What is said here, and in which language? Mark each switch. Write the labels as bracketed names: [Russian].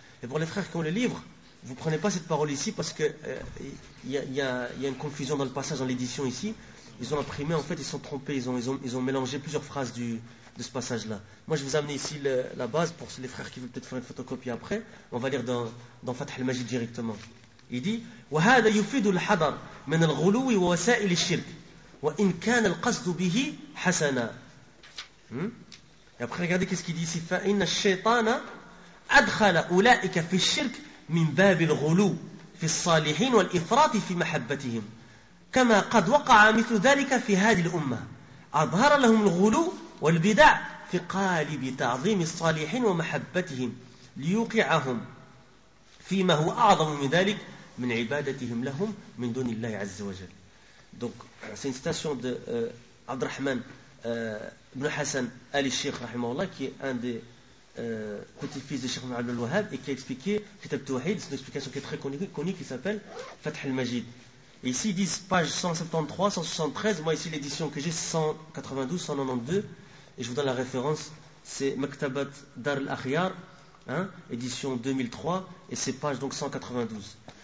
[French] Et pour les frères qui ont le livre, vous ne prenez pas cette parole ici parce qu'il y a une confusion dans le passage, dans l'édition ici. Ils ont imprimé, en fait, ils sont trompés, ils ont mélangé plusieurs phrases de ce passage-là. Moi, je vais vous amener ici la base pour les frères qui veulent peut-être faire une photocopie après. On va lire dans Fath al-Majid directement. Il dit [Arabic] « وَهَذَا يُفِدُ الْحَضَرُ مِنَ الْغُلُوِ وَوَسَائِلِ الشِّرْكِ وَإِنْ كَانَ الْقَصْدُ بِهِ حَسَنًا » [French] Et après, regardez qu'est-ce qu'il dit ici. [Arabic] « فَإِنَّ الشَّيْطَانَ أَدْخَلَ أُولَئِكَ فِي الشِّرْكِ مِنْ بَابِ الْغُلُو فِي الصَّالِحِينَ وَالْإِفْرَاطِ فِي مَحَبَّتِهِمْ كَمَا قَدْ وَقَعَ مِثْلُ ذَلِكَ فِي هَذِهِ الْأُمَّةِ أَظْهَرَ لَهُمُ الْغُلُو وَالْبِدَعَ فِي قَالِبِ تَعْظِيمِ الصَّالِحِينَ وَمَحَبَّتِهِمْ لِيُوقِعَهُمْ فِيمَا هُوَ أَعْظَمُ مِنْ ذَلِكَ min ibadatihim lahum min duni Allah azza wa jal. [French] Donc c'est une citation de Abdurrahman ibn Hassan Ali Sheikh rahimahullah, qui est un des petits-fils de Cheikh Abdul Wahhab, et qui a expliqué Kitab Tawhid. C'est une explication qui est très connue, qui s'appelle Fath al-Majid. Et ici ils disent page 173, 173, moi ici l'édition que j'ai 192, 192, et je vous donne la référence, c'est Maktabat Dar al-Akhyar, hein, édition 2003, et c'est page donc 192.